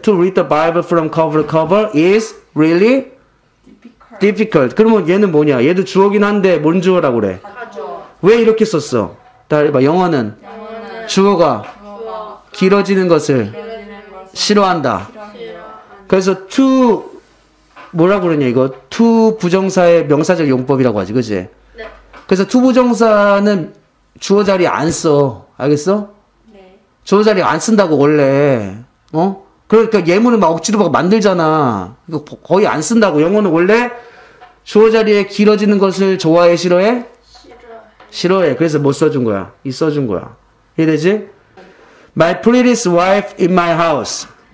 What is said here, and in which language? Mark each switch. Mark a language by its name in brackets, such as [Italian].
[English] To read the Bible from cover to cover is really difficult. [Korean] Difficult. 그러면 얘는 뭐냐? 얘도 주어긴 한데 뭔 주어라고 그래? 다 주어. 왜 이렇게 썼어? 따라 해봐, 영어는? 영어는. 주어가? 주어. 길어지는 것을? 길어지는 것을. 싫어한다. 그래서 to 뭐라고 그러냐 이거 to 부정사의 명사적 용법이라고 하지, 그지? 네. 그래서 to 부정사는 주어 자리 안 써, 알겠어? 네. 주어 자리 안 쓴다고 원래, 어? 그러니까 예문을 막 억지로 막 만들잖아. 이거 거의 안 쓴다고. 영어는 원래 주어 자리에 길어지는 것을 좋아해, 싫어해? 싫어해. 싫어해. 그래서 못 써준 거야. 이 써준 거야. 이해되지? [English] My prettiest wife in my house.